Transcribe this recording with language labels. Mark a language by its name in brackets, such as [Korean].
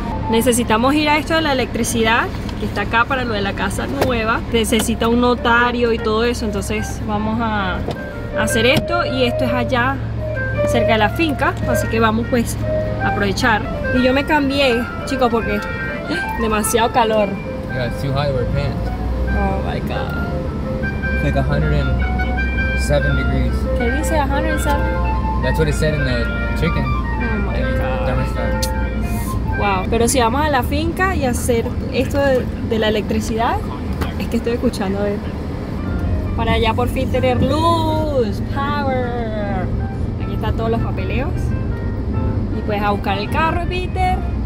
[Spanish] Necesitamos ir a esto de la electricidad, que está acá para lo de la casa nueva. Necesita un notario y todo eso. Entonces vamos a hacer esto, y esto es allá cerca de la finca, así que vamos pues a aprovechar. Y yo me cambié, chicos, porque demasiado calor. [English] Yeah, it's too high to wear pants. Oh my god. It's like 107 degrees. [Spanish] ¿Qué dice 107? [English] That's what it said in the chicken. Oh my god. [Spanish] Wow, pero si vamos a la finca y hacer esto de la electricidad, es que estoy escuchando, a ver. Para ya por fin tener luz, power. Aquí están todos los papeleos. Y pues a buscar el carro, Peter.